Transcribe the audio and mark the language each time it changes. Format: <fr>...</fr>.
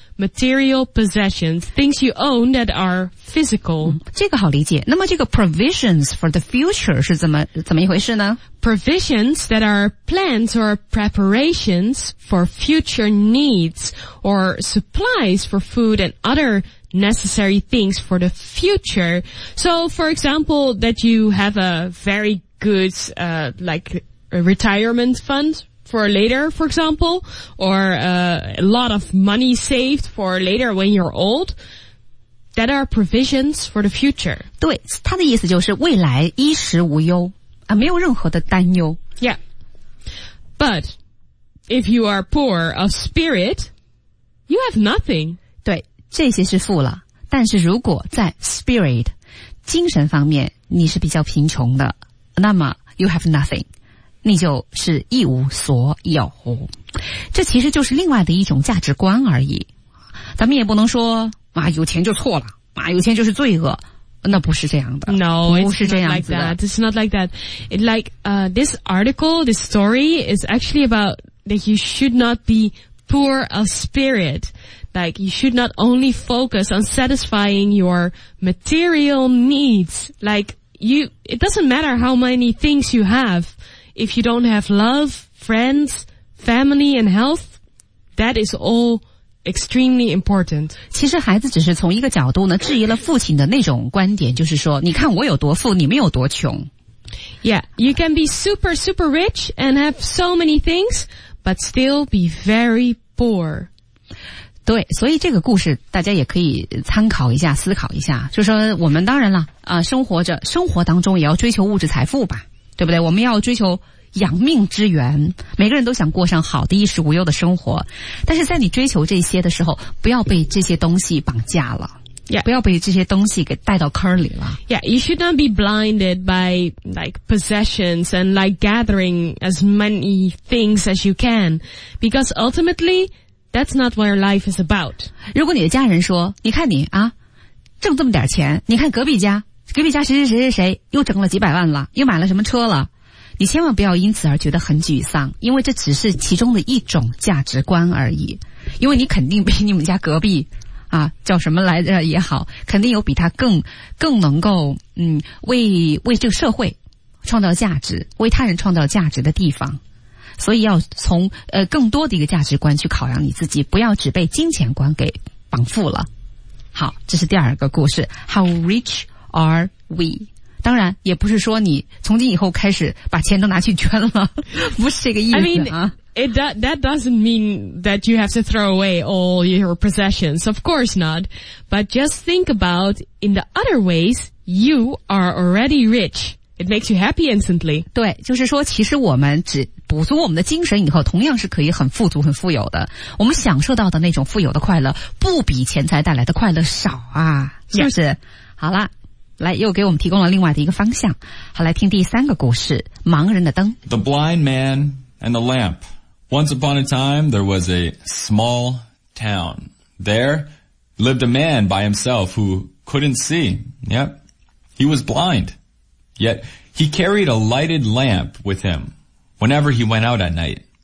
<en>Material possessions, things you own that are physical.、</en> <zh>嗯、这个好理解。那么这个</zh> <en>provisions for the future</en> <zh>是怎么一回事呢？</zh> <en>Provisions that are plans or preparations for future needs or supplies for food and other necessary things for the future. So, for example, that you have a very good, like, a retirement fund. For later, for example, or a lot of money saved for later when you're old, that are provisions for the future.</en> <zh>对，他的意思就是未来衣食无忧，啊，没有任何的担忧。</zh> <en>Yeah. But if you are poor of spirit, you have nothing.</en> <zh>对，这些是富了，但是如果在 spirit, 精神方面你是比较贫穷的，那么</zh> <en>you have nothing.</en> <zh>你就是一无所有，这其实就是另外的一种价值观而已。咱们也不能说啊，有钱就错了啊，有钱就是罪恶，那不是这样的。</zh> <en>No,</en> <zh>不是这样子的。</zh> <en>It's not like that. It's not like that. It like this article, this story is actually about that you should not be poor of spirit. Like you should not only focus on satisfying your material needs. Like you, it doesn't matter how many things you have. If you don't have love, friends, family and health, that is all extremely important.</en> <zh>其实孩子只是从一个角度呢质疑了父亲的那种观点，就是说你看我有多富，你们有多穷。</zh> <en>Yeah, you can be super, super rich and have so many things, but still be very poor.</en> <zh>对，所以这个故事大家也可以参考一下，思考一下，就说我们当然了，生活当中也要追求物质财富吧。对不对？我们要追求养命之源，每个人都想过上好的衣食无忧的生活，但是在你追求这些的时候，不要被这些东西绑架了。</zh> <en>Yeah.</en> <zh>不要被这些东西给带到坑里了。</zh> <en>Yeah, you should not be blinded by like possessions and like gathering as many things as you can, because ultimately that's not what your life is about.</en> <zh>如果你的家人说，你看你啊，挣这么点钱，你看隔壁家谁谁谁谁谁又挣了几百万了，又买了什么车了，你千万不要因此而觉得很沮丧，因为这只是其中的一种价值观而已。因为你肯定比你们家隔壁啊叫什么来着也好，肯定有比他更能够为这个社会创造价值，为他人创造价值的地方。所以要从更多的一个价值观去考量你自己，不要只被金钱观给绑缚了。好，这是第二个故事。</zh> <en>How rich are we?</en> <zh>当然也不是说你从今以后开始把钱都拿去捐了，不是这个意思啊。</zh> <en>I mean, that doesn't mean that you have to throw away all your possessions. Of course not. But just think about in the other ways, you are already rich. It makes you happy instantly.</en> <zh>对，就是说其实我们只补足我们的精神以后，同样是可以很富足很富有的。我们享受到的那种富有的快乐不比钱财带来的快乐少啊，是不是？好啦。来，又给我们提供了另外的一个方向。好，来听第三个故事，盲人的灯。</zh> <en>The blind man and the lamp. Once upon a time, there was a small town. There lived a man by himself who couldn't see. Yep. He was blind. Yet he carried a lighted lamp with him whenever he went out at night.</en>